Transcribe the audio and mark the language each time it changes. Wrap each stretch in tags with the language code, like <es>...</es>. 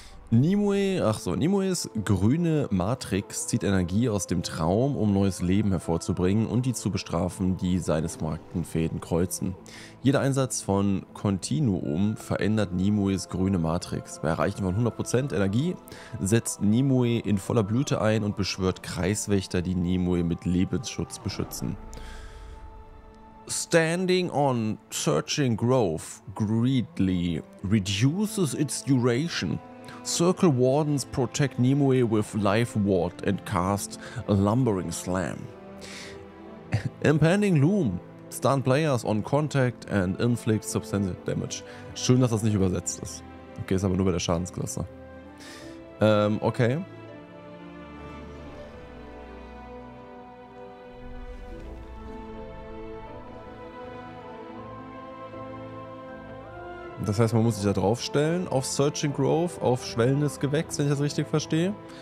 <de>Nimue ist grüne Matrix, zieht Energie aus dem Traum, um neues Leben hervorzubringen und die zu bestrafen, die seines Markten Fäden kreuzen. Jeder Einsatz von Continuum verändert Nimues grüne Matrix. Bei Erreichen von 100% Energie setzt Nimue in voller Blüte ein und beschwört Kreiswächter, die Nimue mit Lebensschutz beschützen.</de> <en>Standing on Searching Grove greedily reduces its duration. Circle Wardens protect Nimue with Life Ward and cast a Lumbering Slam. Impending Loom stun players on contact and inflict substantial damage.</en> <de>Schön, dass das nicht übersetzt ist. Okay, ist aber nur bei der Schadensklasse. Okay. Das heißt, man muss sich da draufstellen auf Searching Grove, auf schwellendes Gewächs, wenn ich das richtig verstehe.</de>